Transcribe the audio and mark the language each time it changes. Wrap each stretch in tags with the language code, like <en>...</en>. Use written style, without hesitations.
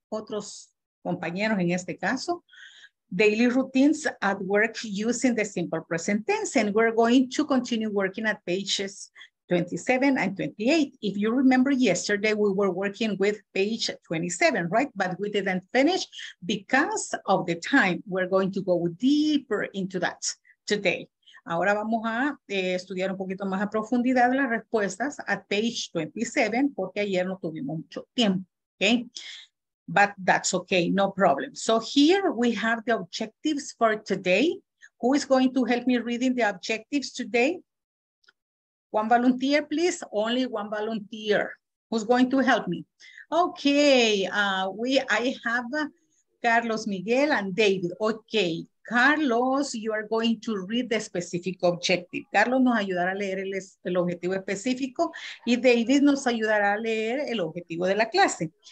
<es>Otros compañeros en este caso,</es> <en>daily routines at work using the simple present tense. And we're going to continue working at pages 27 and 28. If you remember yesterday, we were working with page 27, right? But we didn't finish because of the time. We're going to go deeper into that today.</en> <es>Ahora vamos a estudiar un poquito más a profundidad las respuestas at page 27, porque ayer no tuvimos mucho tiempo, okay?</es> <en>But that's okay, no problem. So here we have the objectives for today. Who is going to help me reading the objectives today? One volunteer, please, only one volunteer. Who's going to help me? Okay, I have Carlos Miguel and David, okay. Carlos, you are going to read the specific objective.</en> <es>Carlos nos ayudará a leer el objetivo específico y David nos ayudará a leer el objetivo de la clase.</es>